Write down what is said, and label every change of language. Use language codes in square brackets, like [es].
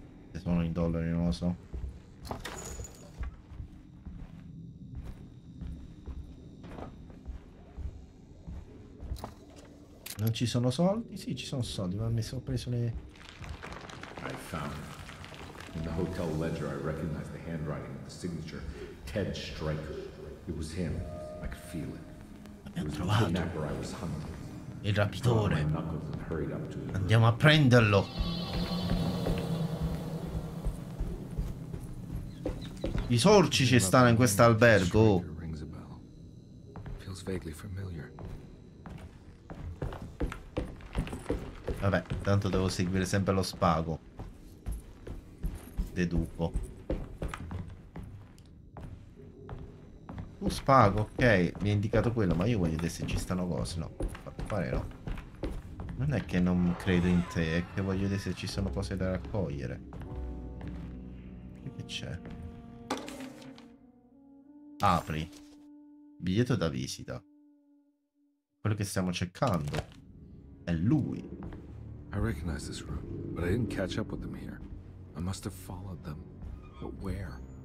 [it] Se sono in dollari non lo so. Non ci sono soldi? Sì, ci sono soldi, ma mi sono preso le... [en] I found. In the hotel ledger, I recognized the handwriting of the signature, Ted Stryker. It was him. I could feel it. It was the kidnapper I was hunting. [it] Il rapitore. Andiamo a prenderlo. I sorci ci stanno in questo albergo. [en] Feels vaguely familiar. [it] Vabbè, tanto devo seguire sempre lo spago. Deduco. Un spago, ok, mi ha indicato quello, ma io voglio vedere se ci stanno cose. No, pare no. Non è che non credo in te, è che voglio vedere se ci sono cose da raccogliere. Che c'è? Apri. Biglietto da visita. Quello che stiamo cercando è lui. [en] I recognize this room, but I didn't catch up with them here. I must have followed them, but where?